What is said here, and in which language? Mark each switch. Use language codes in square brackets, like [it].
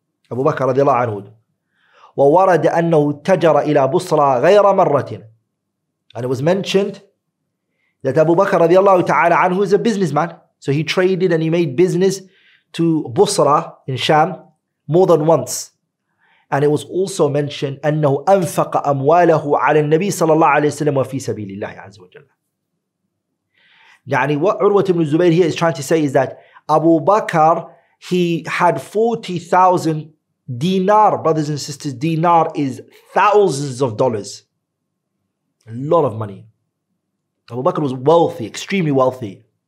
[ar] Abu Bakr رضي الله عنه. وَوَرَدَ أَنَّهُ تَجَرَ إِلَى بُصْرَى غَيْرَ مَرَّةٍ. [en] And it was mentioned that Abu Bakr [ar] رضي الله تعالى عنه [en] is a businessman. So he traded and he made business to Busra in Sham more than once. And it was also mentioned [ar] أنه أنفق أمواله على النبي صلى الله عليه وسلم وفي سبيل الله عز وجل. [en] يعني what عروة بن الزبير here is trying to say is that Abu Bakr, he had 40,000 dinar, brothers and sisters, dinar is thousands of dollars. A lot of money. Abu Bakr was wealthy, extremely wealthy.